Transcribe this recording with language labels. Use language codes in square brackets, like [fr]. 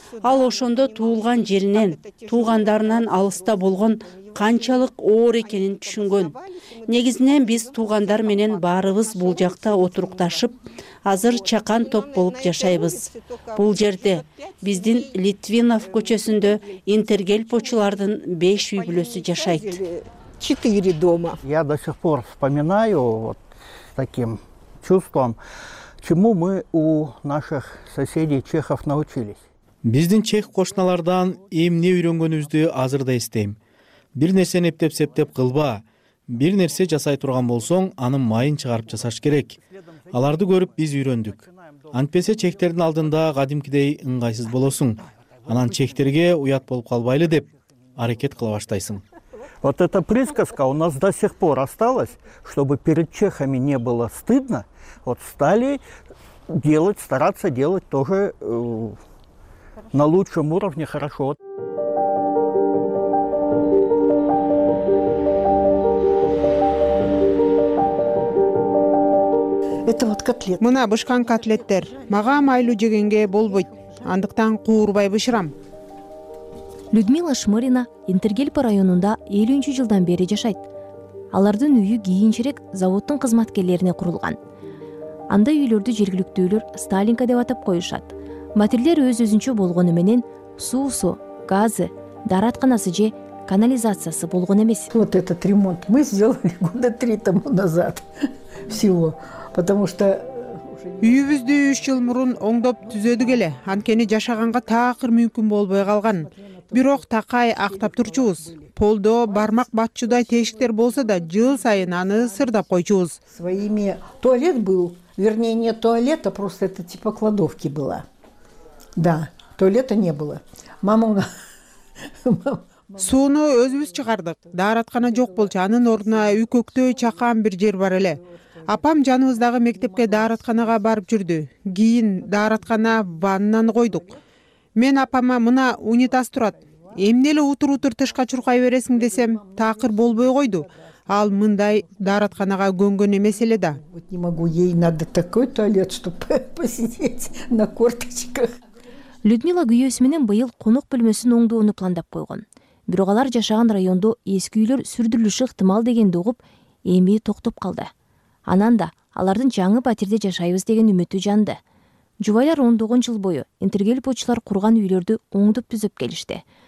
[ky] Ал ошондо туулган жеринен, туугандарынан алыста болгон канчалык оор экенин түшүнгөн. Негизинен биз туугандар менен баарыбыз бул жакта отурукташып, азыр чакан топ болуп жашайбыз. Бул жерде биздин Литвинов көчөсүндө Интергелпочулардын 5 үй бүлөсү жашайт. [ru] 4 дома. Я до сих пор вспоминаю вот таким чувством, чему мы у наших соседей чехов научились. [ky] Биздин чех кошуналардан эмне үйрөнгөнүбүздү азыр да эстейм. Бир нерсени эптеп-септеп кылба. Бир нерсе жасай турган болсоң, анын майын чыгарып жасаш керек. Аларды көрүп биз үйрөндүк. Антпесе чехтердин алдында кадимкидей ыңгайсыз болосуң. Анан чехтерге уят болуп калбайлы деп аракет кыла баштайсың. [ru] Вот эта присказка у нас до сих пор осталась, чтобы перед чехами не было стыдно, вот стали делать, стараться делать тоже на лучшем уровне хорошо. Это вот котлет. [ky] Мына бышкан котлеттер. Мага майлуу жегенге болбойт. Андыктан куурбай бышырам. Людмила Шмырина Интергелпо районунда 50-чү жылдан бери жашайт. Алардын үйү кийинчерээк заводдун кызматкерлерине курулган. Андай үйлөрдү жергиликтүүлөр Сталинка деп атап коюшат. Материалдар өз-өзүнчө болгону менен суусу, газы, даратканасы же канализациясы болгон эмес. [ru] Вот этот ремонт мы сделали года 3 тому назад. Всего. Потому что [ky] үйүбүздү 3 жыл мурун оңдоп түзөдүк эле. Анткени жашаганга такыр мүмкүн болбой калган. Бирок такай актап турчубуз. Полдо бармак батчудай тешиктер болсо да, жыл сайын аны сырдап койчубуз. [ru] Своими туалет был, вернее, не туалет, а просто это типа кладовки была. Да, туалета не было. [ky] Мамага сууну өзүбүз чыгардык. Дааратканы жок болчу, анын ордуна үй көктөй чакан бир жер бар эле. Апам жаныбыздагы мектепке дааратканага барып жүрдү. Кийин дааратканага ваннаны койдук. Мен апама мына унитаз турат. Эмне эле утур-утур тышка чуркай бересиң десем, такыр болбой койду. Ал мындай дааратканага көнгөн эмес эле да. [ru] Вот не могу, ей надо такой туалет, чтобы посидеть на корточках. [ky] Людмила күйөөсү менен быйыл конок бөлмөсүн оңдоону пландап койгон. Бирок алар жашаган райондо эски үйлөр сүрдүрүлүшү ыктымал дегенди угуп, эми токтоп калды. Анан да алардын жаңы батирде жашайбыз деген үмүтү жанды. Жубайлар 10 жыл бою энтергелпочулар курган үйлөрдү оңдоп түзөп келишти.